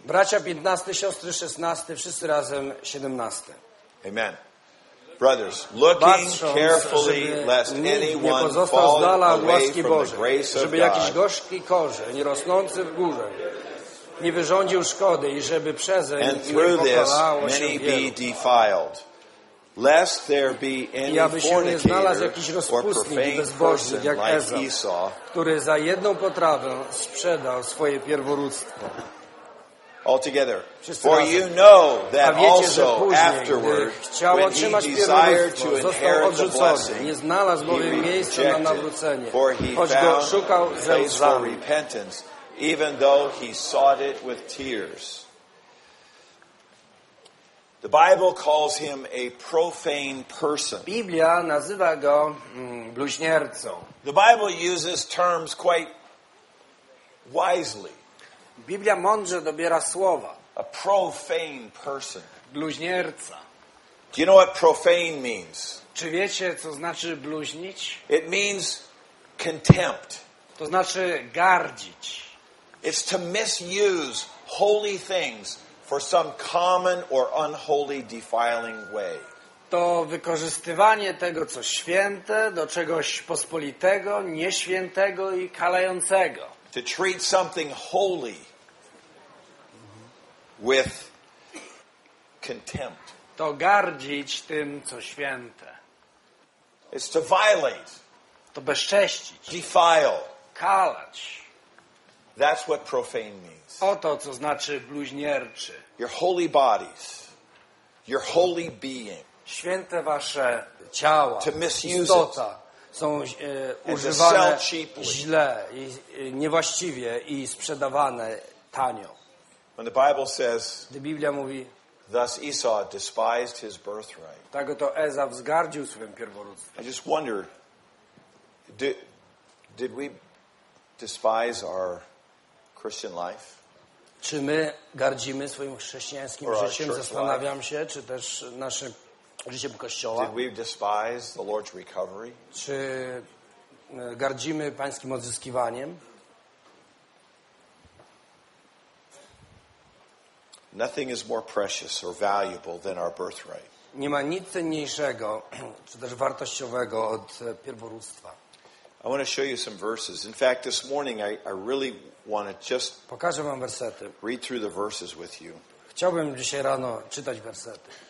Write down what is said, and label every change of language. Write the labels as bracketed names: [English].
[Polish] Bracia 15, siostry 16, wszyscy razem 17. Amen. [English] Brothers, looking carefully lest anyone fall away from the grace of God. [Polish] Żeby jakiś gorzki korzeń rosnący w górze nie wyrządził szkody i żeby przezeń nie pokalało się wielu. [English] Lest there be any fornicator or profane person like Esau, [Polish] który za jedną potrawę sprzedał swoje pierworództwo. [English] Altogether. For you know that also afterward, when he desired to inherit the blessing, he rejected, for he found a place for repentance, even though he sought it with tears. The Bible calls him a profane person. [Polish] Biblia nazywa go bluźniercą. [English] The Bible uses terms quite wisely. [Polish] Biblia mądrze dobiera słowa. [English] A profane person. [Polish] Bluźnierca. [English] Do you know what profane means? [Polish] Czy wiecie, co znaczy bluźnić? [English] It means contempt. [Polish] To znaczy gardzić. [English] It's to misuse holy things for some common or unholy defiling way. [Polish] To wykorzystywanie tego, co święte, do czegoś pospolitego, nieświętego i kalającego. [English] To treat something holy with contempt. [Polish] To gardzić tym, co święte. [English] It's to violate. [Polish] To bezcześcić. [English] Defile. [Polish] Kalać. [English] That's what profane means. [Polish] Oto, co znaczy bluźnierczy. [English] Your holy bodies. Your holy being. [Polish] Święte wasze ciała. [English] To misuse it. [Polish] Są używane źle i niewłaściwie i sprzedawane tanio. [English] When the Bible says, [Polish] Biblia mówi, [English] thus Esau despised his birthright. [Polish] Tak oto Ezaw zgardził swym pierworództwem. [English] I just wonder, did we despise our Christian life? [Polish] Czy my gardzimy swoim chrześcijańskim życiem? Zastanawiam się, czy też naszym życiem Kościoła. [English] Did we despise the Lord's recovery? [Polish] Czy gardzimy Pańskim odzyskiwaniem? [English] Nothing is more precious or valuable than our birthright. [Polish] Nie ma nic cenniejszego, czy też wartościowego od pierworództwa. [English] I want to show you some verses. In fact, this morning I really want to just [Polish] pokażę wam wersety. [English] Read through the verses with you. [Polish] Chciałbym dzisiaj rano czytać wersety.